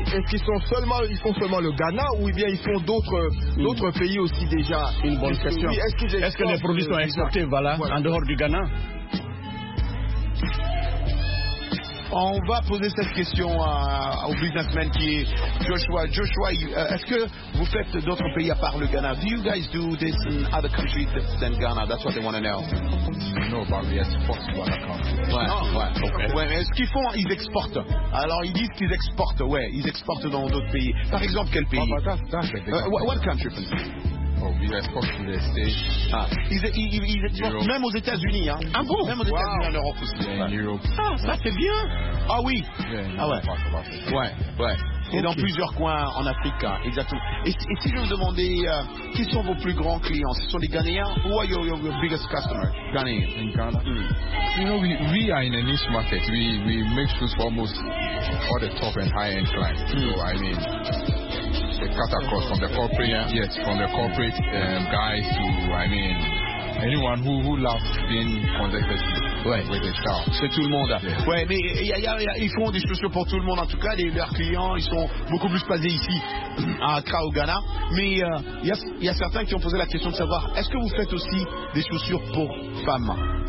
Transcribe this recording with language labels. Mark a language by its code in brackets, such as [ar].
[fr] Est-ce qu'ils sont seulement, ils font seulement le Ghana ou bien ils font d'autres pays aussi déjà? Une bonne question. Est-ce que les produits sont exportés, en dehors du Ghana? On va poser cette question au businessman qui est Joshua. Joshua, est-ce que vous faites d'autres pays à part le Ghana? [en] Do you guys do this in other countries than Ghana? That's what they want to know. No, but we export to other countries. [fr] Est-ce qu'ils font? Ils exportent. Alors, ils disent qu'ils exportent. Ouais, ils exportent dans d'autres pays. Par exemple, quel pays? [en] What country, please? Oh, we export to the States. [fr] Ah, ils exportent même aux États-Unis, hein. Ah bon? Même aux États-Unis, en Europe aussi. [en] Yeah, in Europe. [fr] Ah, ça c'est bien. Ah oui. [en] Yeah, [fr] ah ouais. Okay. Et dans plusieurs coins en Afrique, hein, exactement. Et si je vous demandais qui sont vos plus grands clients, ce sont les Ghanéens? [en] Who are your biggest customers? Ghanéens. In Ghana. Mm. You know, we are in a niche market. We make shoes for almost all the top and high end clients. Mm. So I mean. The cut across from the corporate, from the corporate guys to, I mean, anyone who loves being contacted with the staff. [fr] C'est tout le monde. Yeah. Ouais, mais y a, ils font des chaussures pour tout le monde, en tout cas, leurs clients, ils sont beaucoup plus basés ici, à Accra, au Ghana. Mais y a certains qui ont posé la question de savoir, est-ce que vous faites aussi des chaussures pour femmes?